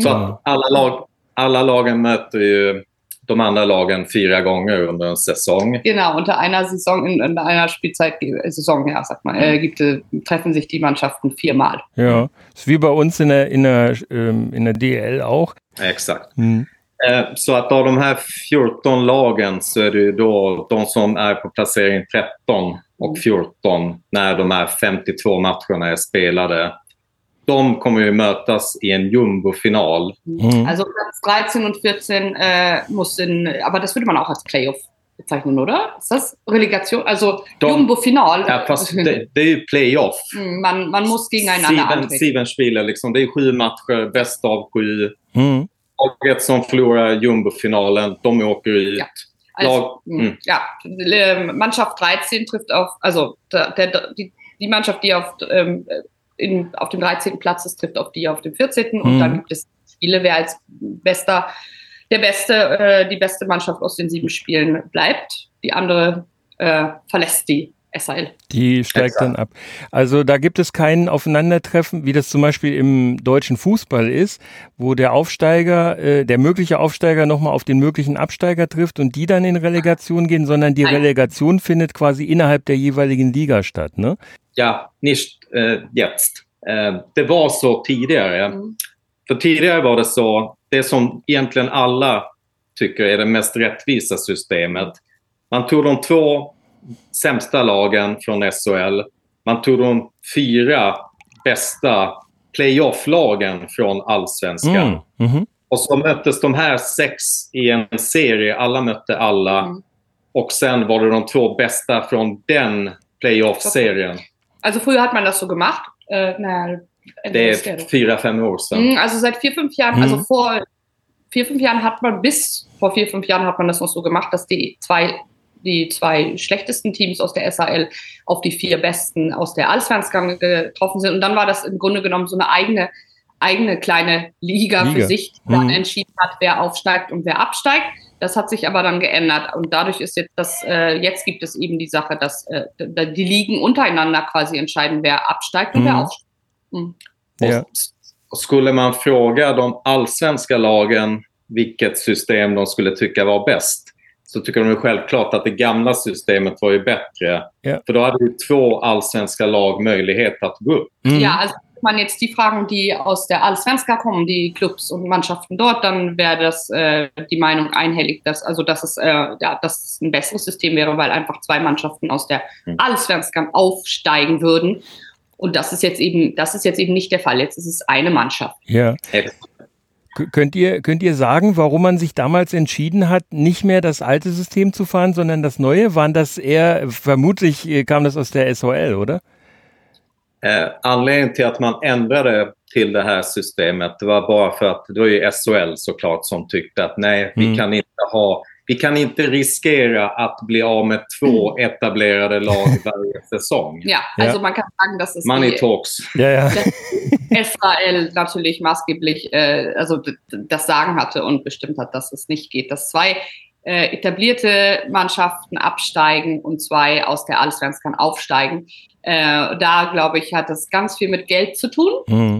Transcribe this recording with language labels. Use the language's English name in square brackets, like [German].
[Swedish] Så alla lagen möter ju de andra lagen 4 gånger under en säsong. [German] Genau, unter einer Saison, in einer Spielzeit, Saison, ja, sag mal, treffen sich die Mannschaften 4-mal. Ja, ist wie bei uns in der DL auch. Exakt. Mm. [Swedish] Så att av de här 14 lagen så är det ju då de som är på placering 13 och 14 när de här 52 matcherna är spelade. De kommer ju mötas i en jumbofinal. Mm. [German] Also Platz 13 und 14 muss in, aber das würde man auch als Playoff bezeichnen, oder? Ist das Relegation? Also Jumbo-Final. [Swedish] Ja, fast det är ju Playoff. [German] Mm, man muss gegeneinander antreten. Sieben Spiele, [Swedish] liksom. Det är 7 matcher, bäst av 7. Mm. Och ett som förlorar jumbofinalen, de åker ut. Ja. [German] Mannschaft 13 trifft auf, also die Mannschaft, die auf auf dem 13. Platz, es trifft auf die auf dem 14. Und dann gibt es Spiele, wer als bester, der beste, die beste Mannschaft aus den 7 Spielen bleibt. Die andere verlässt die SAL. Die steigt dann ab. Also da gibt es kein Aufeinandertreffen, wie das zum Beispiel im deutschen Fußball ist, wo der Aufsteiger, der mögliche Aufsteiger nochmal auf den möglichen Absteiger trifft und die dann in Relegation gehen, sondern die Relegation findet quasi innerhalb der jeweiligen Liga statt, ne? [Swedish] Ja, [German] nicht jetzt. [Swedish] Det var så tidigare. För tidigare var det så, det som egentligen alla tycker är det mest rättvisa systemet. Man tog de 2 sämsta lagen från SHL. Man tog de 4 bästa playoff-lagen från Allsvenskan. Och så möttes de här 6 i en serie. Alla mötte alla. Och sen var det de 2 bästa från den playoff-serien. [German] Also früher hat man das so gemacht. [Swedish] Det är 4-5 år sedan. [German] Also seit 4-5 Jahren, also vor 4-5 Jahren hat man, bis vor 4-5 Jahren hat man das noch so gemacht, dass die zwei schlechtesten Teams aus der SHL auf die 4 besten aus der Allsvenskan getroffen sind. Und dann war das im Grunde genommen so eine eigene kleine Liga für sich, die dann entschieden hat, wer aufsteigt und wer absteigt. Das hat sich aber dann geändert und dadurch ist jetzt das, jetzt gibt es eben die Sache, dass die Ligen untereinander quasi entscheiden, wer absteigt und wer aufsteigt. [Swedish] Och skulle man fråga de allsvenska lagen vilket system de skulle tycka var bäst, så tycker de ju självklart att det gamla systemet var ju bättre. Yeah. För då hade ju 2 allsvenska lag möjlighet att gå upp. [German] Ja, alltså man jetzt die Fragen, die aus der Allsvenska kommen, die Clubs und Mannschaften dort, dann wäre das die Meinung einhellig, dass also dass es ja, dass es ein besseres System wäre, weil einfach 2 Mannschaften aus der Allsvenskan aufsteigen würden. Und das ist jetzt eben nicht der Fall. Jetzt ist es eine Mannschaft. Ja. Könnt ihr sagen, warum man sich damals entschieden hat, nicht mehr das alte System zu fahren, sondern das neue? Waren das eher, vermutlich kam das aus der SHL, oder? [Swedish] Anledningen till att man ändrade till det här systemet, det var bara för att det var ju SHL såklart som tyckte att nej, vi kan inte riskera att bli av med 2 etablerade lag varje säsong. Ja, alltså man kan säga att det är [English] Money Talks. [Swedish] Ja. [German] SHL naturligtvis maßgeblich alltså das sagen hatte und bestimmt hat, dass es nicht geht, dass 2 etablierte Mannschaften absteigen und 2 aus der Allsvenskan aufsteigen. Da, glaube ich, hat das ganz viel mit Geld zu tun.